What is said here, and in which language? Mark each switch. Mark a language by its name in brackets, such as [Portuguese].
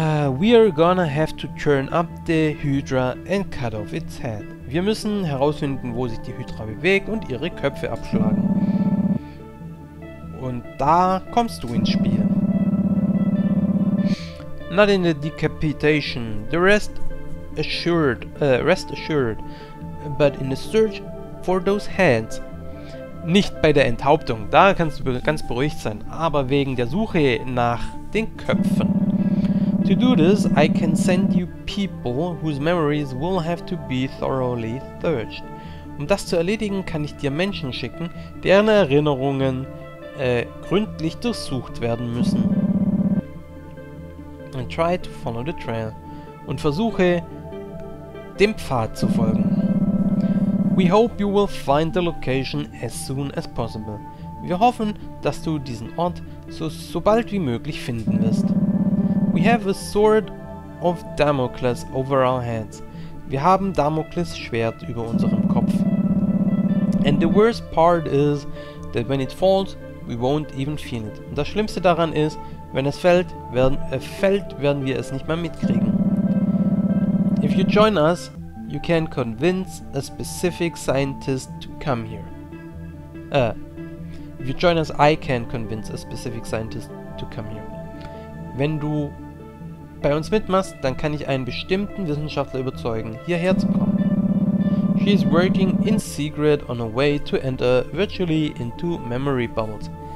[English] We're gonna have to turn up the Hydra and cut off its head. [German] Wir müssen herausfinden, wo sich die Hydra bewegt und ihre Köpfe abschlagen. Und da kommst du ins Spiel. [English] Not in the decapitation. The rest assured. Rest assured. But in the search for those heads. [German] Nicht bei der Enthauptung. Da kannst du ganz beruhigt sein. Aber wegen der Suche nach den Köpfen. [English] To do this, I can send you people whose memories will have to be thoroughly searched. [German] Um das zu erledigen, kann ich dir Menschen schicken, deren Erinnerungen gründlich durchsucht werden müssen. [English] And try to follow the trail. [German] Und versuche, dem Pfad zu folgen. [English] We hope you will find the location as soon as possible. [German] Wir hoffen, dass du diesen Ort so bald wie möglich finden wirst. [English] We have a sword of Damocles over our heads. [German] Wir haben Damocles Schwert über unserem Kopf. [English] And the worst part is that when it falls, we won't even feel it. [German] Und das Schlimmste daran ist, wenn es fällt, werden wir es nicht mehr mitkriegen. [English] If you join us, you can convince a specific scientist to come here. If you join us, I can convince a specific scientist to come here. [German] Wenn du bei uns mitmachst, dann kann ich einen bestimmten Wissenschaftler überzeugen, hierher zu kommen. [English] She is working in secret on a way to enter virtually into memory bubbles.